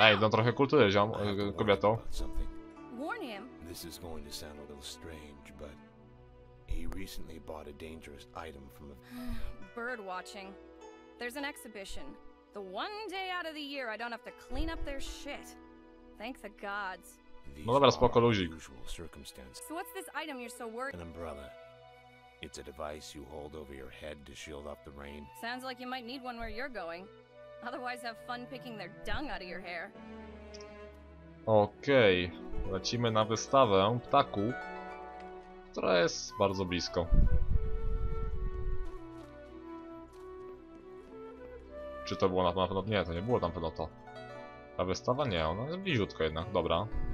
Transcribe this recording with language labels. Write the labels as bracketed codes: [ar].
[pl] Ej, no trochę kultury, ziom, kobieto. [en] Warn him. This is going to sound a little strange, but he recently bought a dangerous item from a bird watching. There's an exhibition. The one day out of the year I don't have to clean up their shit. Thank the gods. [pl] No dobra, spoko, luzik. [en] So what's this item you're so worried? An umbrella. It's a device you hold over your head to shield off the rain. Sounds like you might need one where you're going. Otherwise have fun picking their dung out of your hair. [pl] Okej. Lecimy na wystawę ptaku, która jest bardzo blisko. Czy to było na pewno? Nie, to nie było tam pewno to. Ta wystawa? Nie, ona jest bliziutko jednak, dobra.